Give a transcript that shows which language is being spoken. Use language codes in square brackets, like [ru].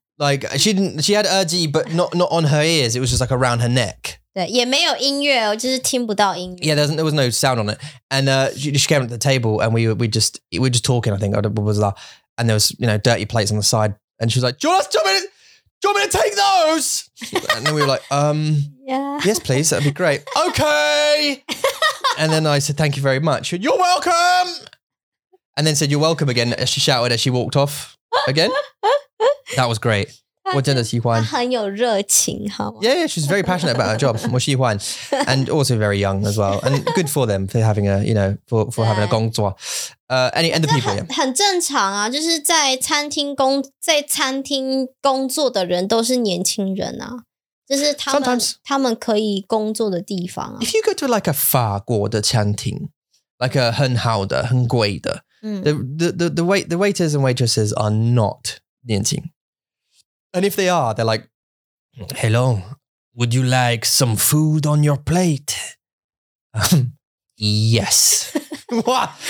[en] like she didn't she had urgy but not on her ears it was just like around her neck [zh] 对也没有音乐我就是听不到音乐 [en] yeah there was no sound on it and she came to the table and we were just talking I think and there was you know dirty plates on the side and she was like do you want me to take those and then we were like yeah yes please that'd be great okay and then I said thank you very much you're welcome and then said you're welcome again as she shouted as she walked off again that was great [zh] 我真的喜欢她很有热情好吗 [en] yeah, yeah she's very passionate about her job [zh] 我喜欢 [en] and also very young as well and good for them for having a you know for having a 工作 and the people [zh] 很正常啊就是在餐厅工作的人都是年轻人啊就是他们可以工作的地方啊 [en] if you go to like a [zh] 法国的餐厅 [en] like a [zh] 很好的很贵的 [en] The waiters and waitresses are not 年轻 And if they are, they're like, Hello, would you like some food on your plate? yes. What?